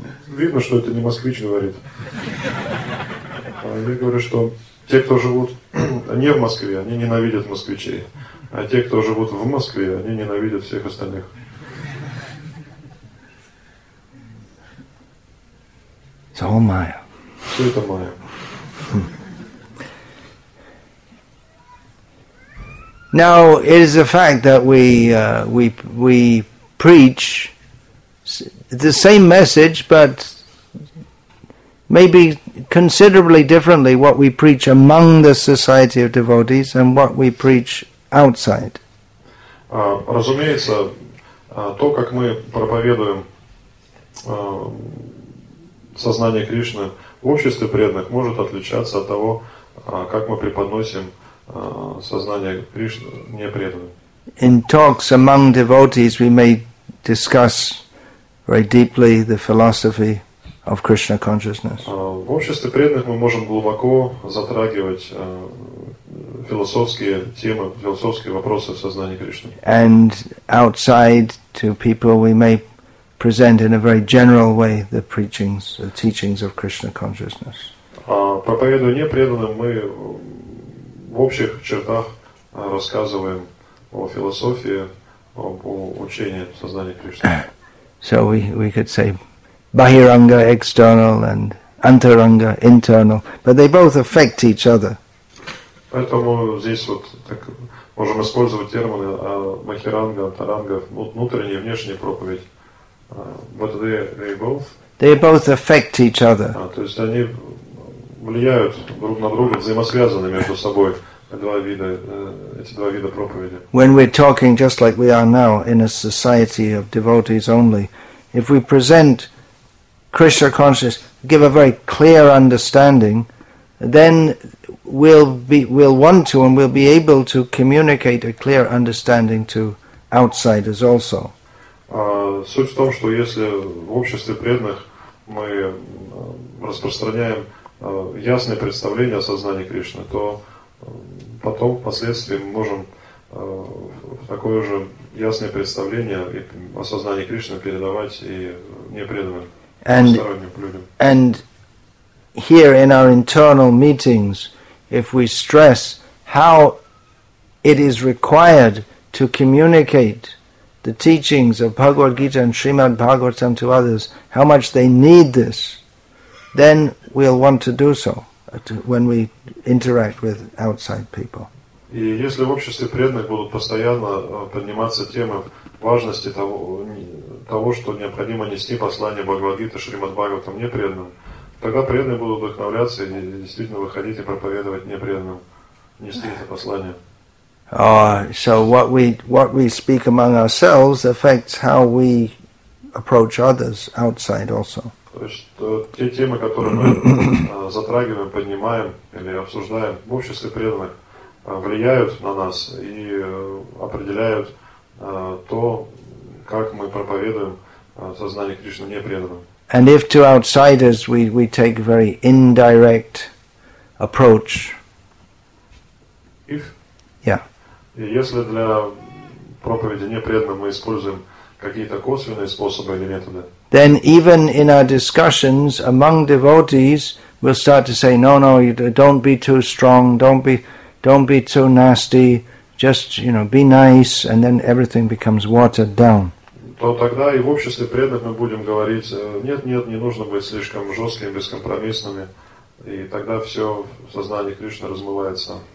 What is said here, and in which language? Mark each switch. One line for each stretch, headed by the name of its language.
Russian: видно, что это не москвич говорит. Я говорю, что те, кто живут не в Москве, они ненавидят москвичей. А те, кто живут в Москве, они ненавидят всех остальных.
English: It's all Maya.
Russian: Все это Maya.
English: Now it is a fact that we preach the same message, but maybe considerably differently what we preach among the society of devotees and what we preach outside.
Russian: Разумеется, то, как мы проповедуем сознание Кришны в обществе преданных, может отличаться от того, как мы преподносим сознание Кришны непреданным.
English: In talks among devotees, we may discuss very deeply the philosophy of Krishna consciousness.
Russian: В обществе преданных мы можем глубоко затрагивать философские темы, философские вопросы в сознании Кришны.
English: And outside to people, we may present in a very general way the preachings, the teachings of Krishna consciousness.
Russian: Проповедуя непреданным, мы в общих чертах рассказываем о философии, об учении сознания Кришны.
English: So we could say Bahiranga external and Antaranga internal, but they both affect each other.
Russian: Поэтому здесь вот так можем использовать термины Махиранга, Антаранга, внутренняя и внешняя проповедь.
English: But they both affect each other.
Russian: То есть они влияют друг на друга, взаимосвязаны между собой эти два вида проповеди.
English: When we're talking just like we are now in a society of devotees only, if we present Krishna consciousness, give a very clear understanding, then we'll be able to communicate a clear understanding to outsiders also.
Russian: Суть в том, что если в обществе преданных мы распространяем ясное представление о сознании Кришны, то потом, впоследствии, мы можем такое же ясное представление о сознании Кришны передавать и непреданным, посторонним людям.
English: And here in our internal meetings, if we stress how it is required to communicate the teachings of Bhagavad Gita and Srimad Bhagavatam to others, how much they need this, then we'll want to do so when we interact with outside people.
Russian: И если в обществе преданных будут постоянно подниматься темы важности того, что необходимо нести послание Бхагавад Гиты Шримад Бхагаватам непреданным, тогда преданные будут вдохновляться и действительно выходить и проповедовать непреданным, нести это послание.
English: So what we speak among ourselves affects how we approach others outside also.
Russian: То есть те темы, которые мы затрагиваем, поднимаем или обсуждаем в обществе преданных, влияют на нас и определяют то, как мы проповедуем сознание Кришны непреданным.
English: And if to outsiders we take a very indirect approach. If? Yeah.
Russian: Если для проповеди непреданным мы используем какие-то косвенные способы или методы,
English: then even in our discussions among devotees, we'll start to say, no, no, don't be too strong, don't be too nasty, just, you know, be nice, and then everything becomes watered down.
Russian: То тогда и в обществе преданных мы будем говорить, нет, не нужно быть слишком жесткими, бескомпромиссными, и тогда все в сознании Кришны размывается.